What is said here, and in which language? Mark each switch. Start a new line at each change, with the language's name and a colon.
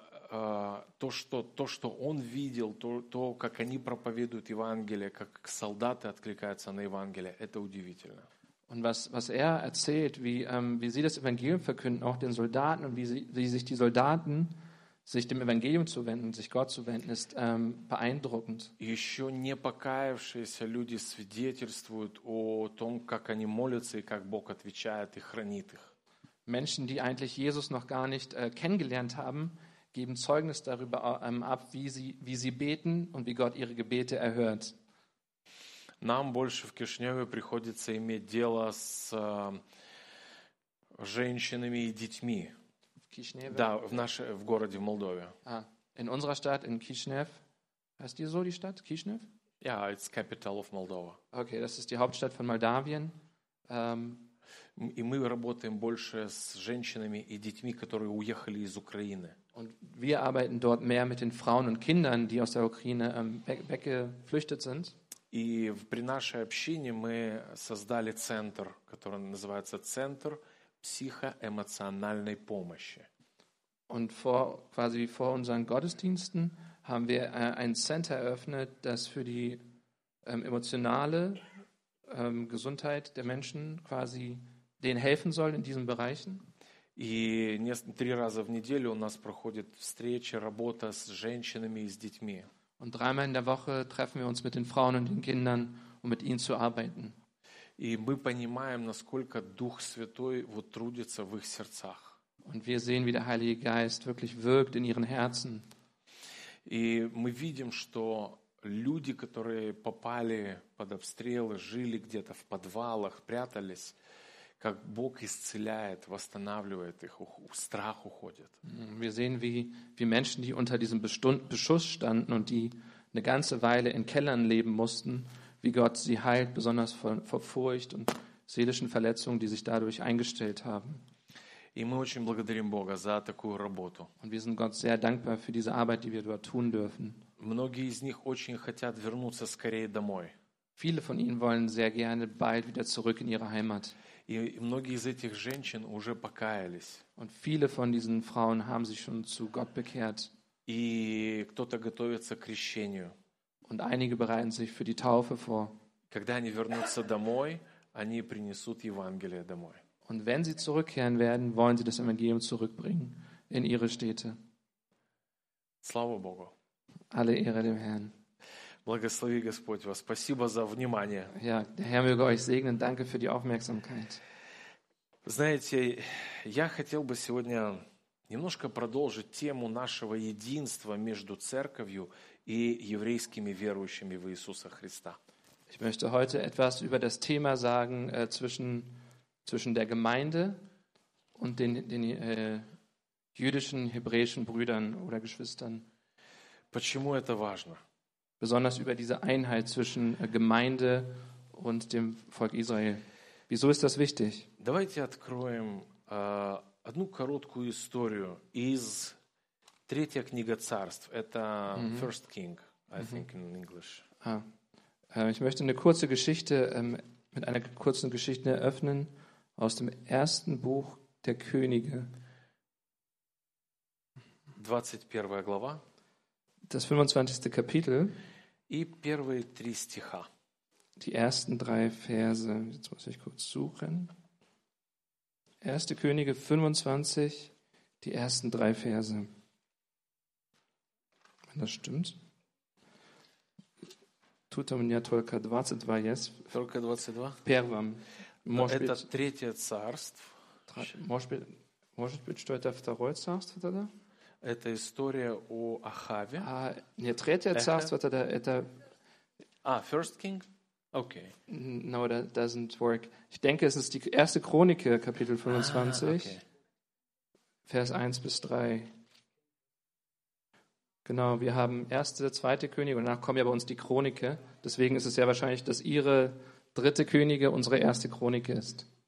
Russian: То, что он видел, то, как они проповедуют Евангелие, как солдаты откликаются на Евангелие, это удивительно.
German: Und was er erzählt, wie sie das Evangelium verkünden, auch den Soldaten, und wie sich die Soldaten sich dem Evangelium zuwenden, sich Gott zuwenden, ist beeindruckend.
Russian: Еще не покаявшиеся люди свидетельствуют о том, как они молятся и как Бог отвечает и хранит их.
German: Menschen, die eigentlich Jesus noch gar nicht kennengelernt haben, geben Zeugnis darüber ab, wie sie beten und wie Gott ihre Gebete erhört.
Russian: Нам больше в Кишиневе приходится иметь дело с женщинами и детьми. В Кишиневе? Да, в городе, в Молдове.
German: In unserer Stadt, in Kishinev. Heißt die so, die Stadt, Kishinev? Ja,
English: it's capital of Moldova.
German: Okay, das ist die Hauptstadt von Moldawien.
Russian: И мы работаем больше с женщинами и детьми, которые уехали из Украины.
German: Und wir arbeiten dort mehr mit den Frauen und Kindern, die aus der Ukraine weggeflüchtet sind.
Russian: И при нашей общине мы создали центр, который называется Центр психоэмоциональной помощи.
German: Und vor unseren Gottesdiensten haben wir ein Center eröffnet, das für die emotionale Gesundheit der Menschen quasi denen helfen soll in diesen Bereichen.
Russian: И три раза в неделю у нас проходит встреча, работа с женщинами и с детьми.
German: Und dreimal in der Woche treffen wir uns mit den Frauen und den Kindern, um mit ihnen zu arbeiten.
Russian: И мы понимаем, насколько Дух Святой вот трудится в их сердцах.
German: Und wir sehen, wie der Heilige Geist wirklich wirkt in ihren Herzen.
Russian: И мы видим, что люди, которые попали под обстрелы, жили где-то в подвалах, прятались, как Бог исцеляет, восстанавливает их, страх уходит.
German: Wir sehen, wie Menschen, die unter diesem Beschuss standen und die eine ganze Weile in Kellern leben mussten, wie Gott sie heilt, besonders vor Furcht und seelischen Verletzungen, die sich dadurch eingestellt haben.
Russian: И мы очень благодарим Бога за такую работу.
German: Und wir sind Gott sehr dankbar für diese Arbeit, die wir dort tun dürfen.
Russian: Многие из них очень хотят вернуться скорее домой.
German: Viele von ihnen wollen sehr gerne bald wieder zurück in ihre Heimat.
Russian: И многие из этих женщин уже покаялись.
German: Und viele von diesen Frauen haben sich schon zu Gott bekehrt.
Russian: И кто-то готовится к крещению.
German: Und einige bereiten sich für die Taufe vor.
Russian: Когда они вернутся домой, они принесут Евангелие домой.
German: Und wenn sie zurückkehren werden, wollen sie das Evangelium zurückbringen in ihre Städte.
Russian: Слава Богу.
German: Alle Ehre dem Herrn.
Russian: Благослови Господь вас. Спасибо за внимание.
German: Ja, der Herr möge euch segnen. Danke für die Aufmerksamkeit.
Russian: Знаете, я хотел бы сегодня немножко продолжить тему нашего единства между церковью и еврейскими верующими в Иисуса Христа.
German: Ich möchte heute etwas über das Thema sagen zwischen der Gemeinde und den jüdischen hebräischen Brüdern oder Geschwistern.
Russian: Почему это важно?
German: Besonders über diese Einheit zwischen Gemeinde und dem Volk Israel. Wieso ist das wichtig?
Russian: Давайте откроем одну короткую историю из третьей книги Царств. Это
English: First King, I think in English.
German: Ich möchte eine kurze Geschichte mit einer kurzen Geschichte eröffnen aus dem ersten Buch der Könige.
Russian: 21. глава.
German: Das 25. Kapitel.
Russian: И первые три стиха.
German: Die ersten drei Verse. Jetzt muss ich kurz suchen. 1. Könige 25, die ersten drei Verse. Wenn das stimmt.
Russian: Tut мне только 22, yes. Только 22? Первым. Это третье царство. Может быть, что это второе царство тогда? Это история о Ахаве. А, нет, третье царство тогда, это...
English: А, First King? Okay. No, that doesn't work.
German: Ich denke, es ist die erste Chronik, Kapitel 25, Vers 1 bis 3. Genau, wir haben erste, zweite Könige und danach kommen ja bei uns die Chronike. Deswegen ist es sehr wahrscheinlich, dass ihre dritte Könige unsere erste Chronike ist.